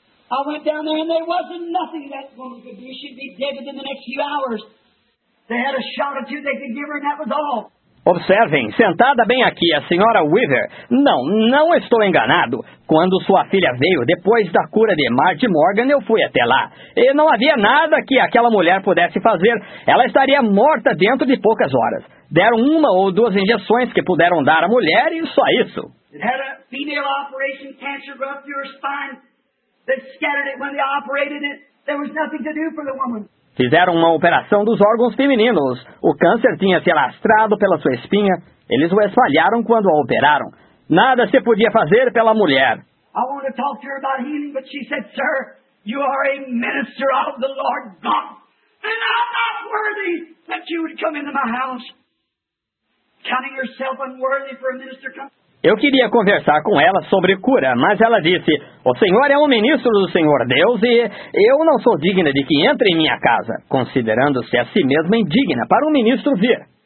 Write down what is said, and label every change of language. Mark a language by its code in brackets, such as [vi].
[en] I went down there and there wasn't nothing that woman could do. She'd be dead within the next few hours. They had a shot or two they could give her and that was all. [pt] Observem, sentada bem aqui, a senhora Weaver. Não, não estou enganado. Quando sua filha veio, depois da cura de Marge Morgan, eu fui até lá. E não havia nada que aquela mulher pudesse fazer. Ela estaria morta dentro de poucas horas. Deram uma ou duas injeções que puderam dar à mulher e só isso. [en] It had a female operation, cancer growth through her spine. They scattered it when they operated it. There was nothing to do for the woman. [pt] Fizeram uma operação dos órgãos femininos. O câncer tinha se alastrado pela sua espinha. Eles o espalharam quando a operaram. Nada se podia fazer pela mulher. [en] I want to talk to her about healing, but she said, sir, you are a minister of the Lord God. And I'm not worthy that you would come into my house. Counting yourself unworthy for a minister come. [pt] Eu queria conversar com ela sobre cura, mas ela disse, o senhor é um ministro do Senhor Deus e eu não sou digna de que entre em minha casa, considerando-se a si mesma indigna para um ministro vir.